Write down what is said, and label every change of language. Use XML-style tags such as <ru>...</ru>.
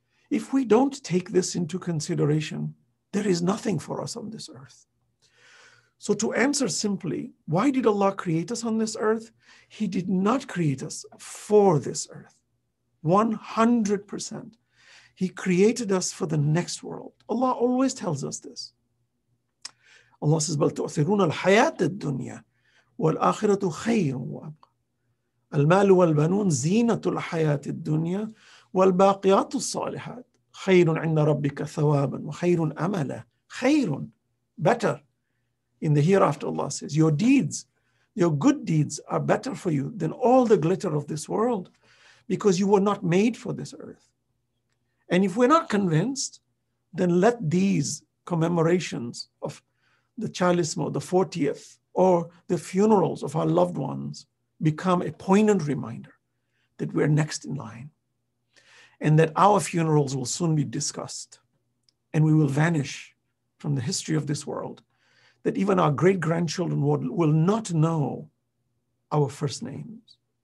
<en>If we don't take this into consideration, there is nothing for us on this earth. So to answer simply, why did Allah create us on this earth? He did not create us for this earth, 100%. He created us for the next world. Allah always tells us this. Allah says,</en> <ar>بَلْ تُؤْثِرُونَ الْحَيَاةَ الدُّنْيَا وَالْآخِرَةُ خَيْرٌ وَأَبْقَى الْمَالُ وَالْبَنُونَ زِينَةُ الْحَيَاةِ الدُّنْيَا وَالْبَاقِيَاتُ الصَّالِحَاتِ خَيْرٌ عِنَّ رَبِّكَ ثَوَابًا وَخَيْرٌ أَمَلًا خَيْرٌ,</ar> <en>better in the hereafter, Allah says. Your deeds, your good deeds are better for you than all the glitter of this world, because you were not made for this earth. And if we're not convinced, then let these commemorations of the Chalismo, the 40th, or the funerals of our loved ones become a poignant reminder that we're next in line, and that our funerals will soon be discussed, and we will vanish from the history of this world, that even our great-grandchildren will not know our first names.</en>